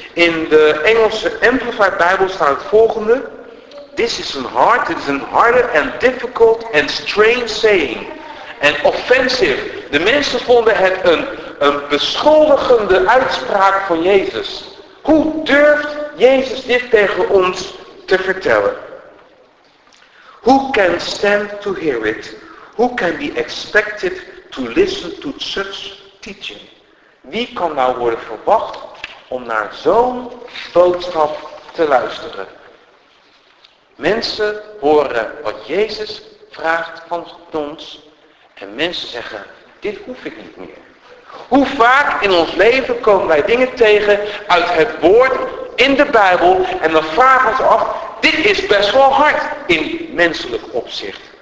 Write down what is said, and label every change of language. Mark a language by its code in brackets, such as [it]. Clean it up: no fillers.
[nl] In de Engelse Amplified Bijbel staat het volgende, [en] this is [nl] een hard, it is een harde [en] and difficult and strange saying. [nl] En offensive. De mensen vonden het een beschuldigende uitspraak van Jezus. Hoe durft Jezus dit tegen ons te vertellen? [en] Who can stand to hear it? Who can be expected to listen to such teaching? [nl] Wie kan nou worden verwacht om naar zo'n boodschap te luisteren? Mensen horen wat Jezus vraagt van ons en mensen zeggen, dit hoef ik niet meer. Hoe vaak in ons leven komen wij dingen tegen uit het woord in de Bijbel en dan vragen ze af, dit is best wel hard in menselijk opzicht.